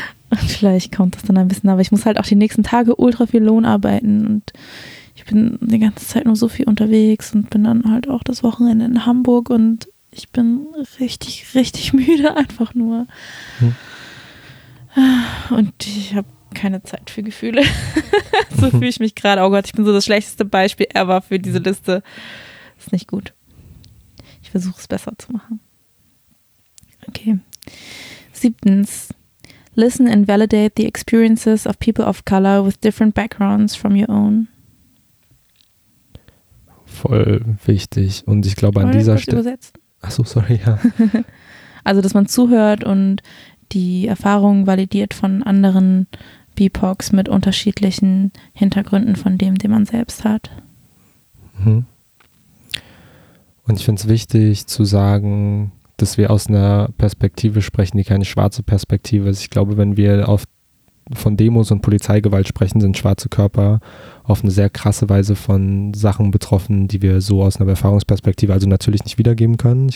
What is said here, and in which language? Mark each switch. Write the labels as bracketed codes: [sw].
[de] Und vielleicht kommt das dann ein bisschen. Aber ich muss halt auch die nächsten Tage ultra viel Lohn arbeiten und ich bin die ganze Zeit nur so viel unterwegs und bin dann halt auch das Wochenende in Hamburg und ich bin richtig, richtig müde einfach nur. Und ich habe keine Zeit für Gefühle. So fühle ich mich gerade. Oh Gott, ich bin so das schlechteste Beispiel ever für diese Liste. Ist nicht gut. Ich versuche es besser zu machen. Okay. 7. [en] Listen and validate the experiences of people of color with different backgrounds from your own. [de] Voll wichtig. Und ich glaube, an dieser Stelle. Achso, sorry, ja. Also, dass man zuhört und die Erfahrungen validiert von anderen BIPOCs mit unterschiedlichen Hintergründen von dem, den man selbst hat. Und ich finde es wichtig zu sagen, dass wir aus einer Perspektive sprechen, die keine schwarze Perspektive ist. Ich glaube, wenn wir oft von Demos und Polizeigewalt sprechen, sind schwarze Körper auf eine sehr krasse Weise von Sachen betroffen, die wir so aus einer Erfahrungsperspektive also natürlich nicht wiedergeben können.